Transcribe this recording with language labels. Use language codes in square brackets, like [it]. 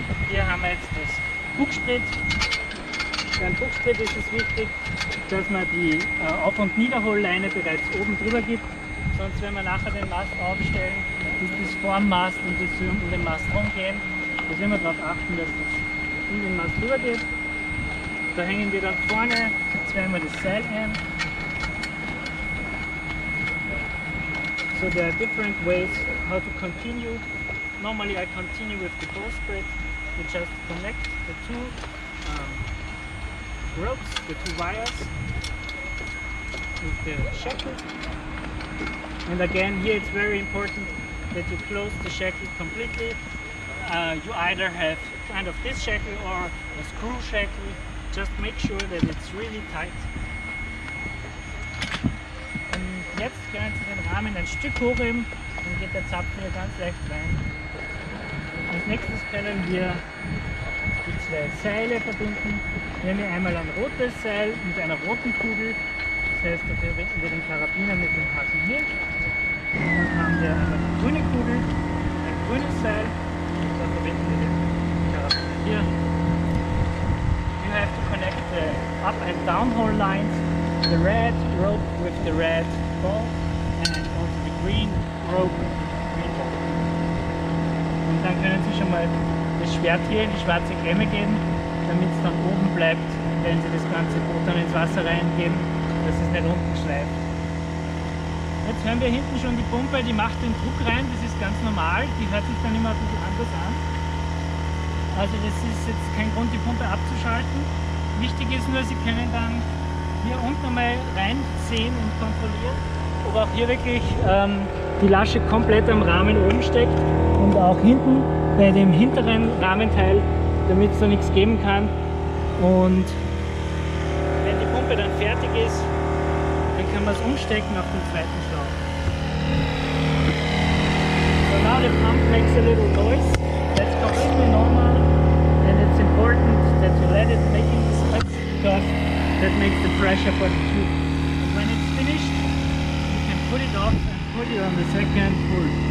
[de] Hier haben wir jetzt das Bugsprit. Beim Bugsprit ist es wichtig, dass man die Auf- und Niederholleine bereits oben drüber gibt. Sonst, wenn wir nachher den Mast aufstellen, ist das vor dem Mast und das soll um den Mast rumgehen. Da müssen wir darauf achten, dass das um den Mast drüber geht. Da hängen wir dann vorne, zweimal das Seil an. [en] So, there are different ways how to continue. Normally I continue with the bowsprit. You just connect the two ropes, the two wires with the shackle, and again here it's very important that you close the shackle completely. You either have kind of this shackle or a screw shackle, just make sure that it's really tight. [de] Und jetzt können Sie den Rahmen ein Stück hochheben, dann geht der Zapfen hier ganz leicht rein. Als nächstes können wir die zwei Seile verbinden. Wir haben hier einmal ein rotes Seil mit einer roten Kugel. Das heißt, da verbinden wir den Karabiner mit dem Haken hier. Und dann haben wir eine grüne Kugel, ein grünes Seil. Und da verbinden wir den Karabiner hier. [en] You have to connect the up and downhole lines. The red rope with the red ball. And also the green rope with the green ball. [de] Und dann können Sie schon mal das Schwert hier in die schwarze Klemme geben, damit es dann oben bleibt, wenn Sie das ganze Boot dann ins Wasser reingeben, dass es nicht unten schleift. Jetzt hören wir hinten schon die Pumpe, die macht den Druck rein, das ist ganz normal, die hört sich dann immer ein bisschen anders an. Also das ist jetzt kein Grund, die Pumpe abzuschalten. Wichtig ist nur, Sie können dann hier unten einmal reinsehen und kontrollieren, ob auch hier wirklich die Lasche komplett am Rahmen oben steckt und auch hinten bei dem hinteren Rahmenteil, damit es da nichts geben kann. Und wenn die Pumpe dann fertig ist, dann kann man es umstecken auf den zweiten Schlauch. [en] So now the pump makes a little noise. That's completely normal. And it's important that you let it make the splits, because that makes the pressure for the tube. But when it put it off and put it on the second pull.